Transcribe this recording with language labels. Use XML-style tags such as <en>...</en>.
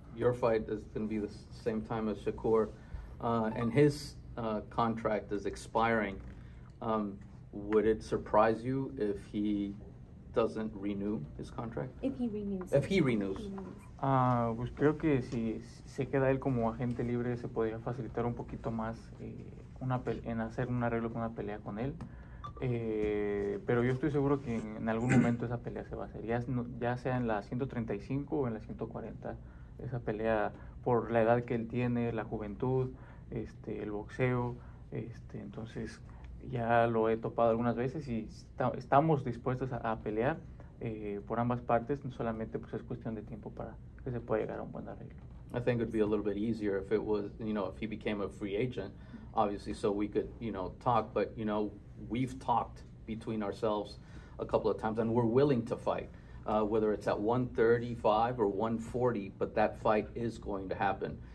<en>your fight is going to be the same time as Shakur, and his contract is expiring. Would it surprise you if he doesn't renew his contract? If he renews.</en> <es>Pues creo que si se queda él como agente libre, se podría facilitar un poquito más en hacer un arreglo con una pelea con él. Pero yo estoy seguro que en algún momento esa pelea se va a hacer, ya sea en la 135 o en la 140. Esa pelea, por la edad que él tiene, la juventud, el boxeo, entonces ya lo he topado algunas veces y estamos dispuestos a pelear por ambas partes. No solamente pues es cuestión de tiempo para que se pueda llegar a un buen arreglo.</es> <en>I think it would be a little bit easier if it was, you know, if he became a free agent, obviously, so we could, you know, talk, but, you know, we've talked between ourselves a couple of times, and we're willing to fight, whether it's at 135 or 140, but that fight is going to happen.</en>